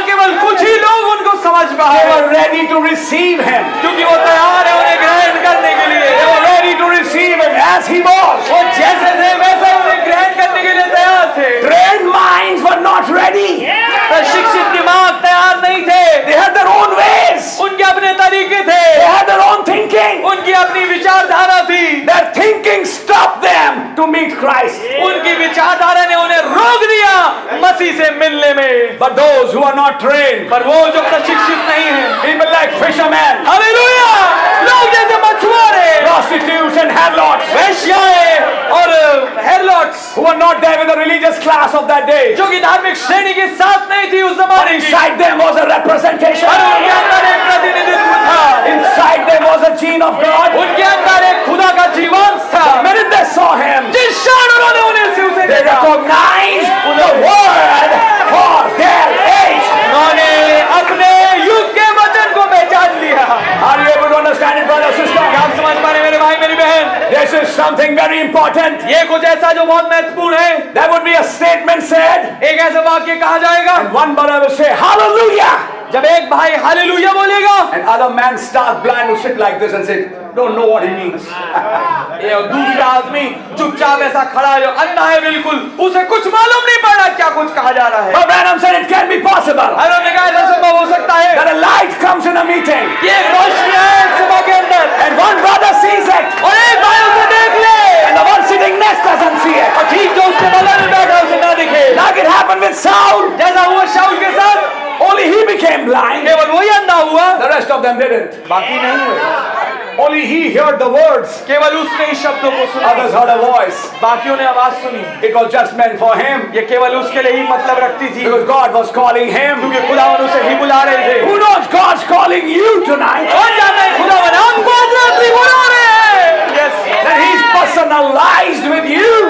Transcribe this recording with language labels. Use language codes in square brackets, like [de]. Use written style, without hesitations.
[en] were ready to receive him. [hi] क्योंकि वो तैयार है उन्हें ग्रहण करने के लिए. [en] They were ready to receive him as he was. [hi] वो जैसे थे वैसे उन्हें ग्रहण करने के लिए तैयार थे. [en] Trained minds were not ready. [hi] प्रशिक्षित दिमाग तैयार नहीं थे. [en] They had their own ways. [hi] उनके अपने तरीके थे. [en] They had their own thinking. [hi] उनकी अपनी विचारधारा थी. [en] Their thinking stopped them to meet Christ. [hi] उनकी विचारधारा ने उन्हें रोक दिया मसीह से मिलने में. [en] But those who are not trained. [hi] पर वो जो प्रशिक्षित नहीं है. [en] People like fishermen. [hi] Hallelujah. लोग जैसे मछुआरे. [en] Prostitutes and harlots. [hi] वेश्याएं और harlots. [en] Who were not there in the religious class of that day. [hi] जो कि धार्मिक श्रेणी के साथ नहीं थी उस जमाने की. [en] Inside them was a representation. [hi] पर उनके अंदर एक प्रतिनिधित्व था. [en] Inside them was a gene of God. [hi] उनके अंदर एक खुदा का जीवांश था. [en] The minute they saw him. [hi] जिस क्षण उन्होंने उन्हें उसे देखा. [en] They recognized the word for their age. [hi] उन्होंने अपने युग के वचन को पहचान लिया. [en] Are you able to understand it, brother, sister? [hi] आप समझ पा रहे मेरे भाई मेरी बहन? [en] This is something very important. [hi] ये कुछ ऐसा जो बहुत महत्वपूर्ण है. [en] There would be a statement said. [hi] एक ऐसे वाक्य कहा जाएगा. [en] And one brother will say, Hallelujah. [hi] जब एक भाई हालेलुया बोलेगा. [en] And other man start blind to sit like this and say, Don't know what he means. [hi] ये दूसरा आदमी चुपचाप ऐसा खड़ा है जो अंधा है बिल्कुल. उसे कुछ मालूम नहीं पड़ा क्या कुछ कहा जा रहा है. [en] But Branham said it can be possible. [hi] उन्होंने कहा ऐसा संभव हो सकता है. [en] That a light comes in a meeting. [hi] ये एक रोशनी है सभा के अंदर. [en] And one brother sees it. [hi] और एक भाई उसे देख ले. [en] And the one sitting next doesn't see it. [hi] और ठीक जो उसके बगल में बैठा उसे ना दिखे. [en] Like it happened with Saul. [hi] जैसा हुआ शाऊल के साथ. [en] Only he became blind. [hi] केवल वही अंधा हुआ. [en] The rest of them didn't. [hi] बाकी नहीं हुए. [en] Only he heard the words. [hi] केवल उसने ही शब्दों को सुना. [en] Others heard a voice. [hi] बाकियों ने आवाज सुनी. [en] It was just meant for him. [hi] ये केवल उसके लिए ही मतलब रखती थी. [en] Because God was calling him. [hi] क्योंकि खुदावन उसे ही बुला रहे थे. [en] Who knows God's calling you tonight? [hi] कौन जानता है खुदावन आपको आज रात्रि बुला रहे हैं? [en] Yes. That he's personalized with you.